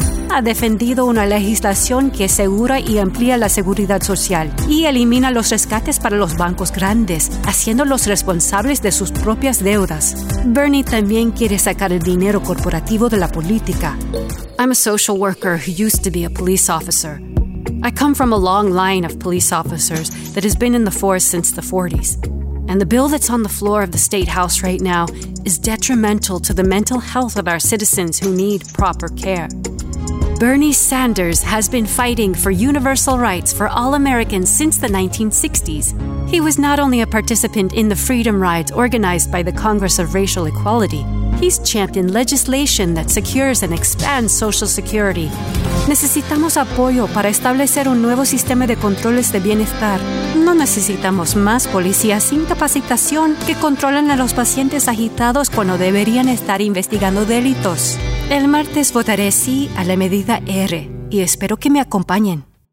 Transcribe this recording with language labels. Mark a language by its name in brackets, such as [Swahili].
[Spanish] Ha defendido una legislación que asegura y amplía la seguridad social y elimina los rescates para los bancos grandes, haciéndolos responsables de sus propias deudas. Bernie también quiere sacar el dinero corporativo de la política. [English] I'm a social worker who used to be a police officer. I come from a long line of police officers that has been in the force since the 40s. And the bill that's on the floor of the state house right now is detrimental to the mental health of our citizens who need proper care. Bernie Sanders has been fighting for universal rights for all Americans since the 1960s. He was not only a participant in the freedom rides organized by the Congress of Racial Equality, he's championed legislation that secures and expands Social Security. [Spanish] Necesitamos apoyo para establecer un nuevo sistema de controles de bienestar. No necesitamos más policías sin capacitación que controlan a los pacientes agitados cuando deberían estar investigando delitos. El martes votaré sí a la medida R y espero que me acompañen.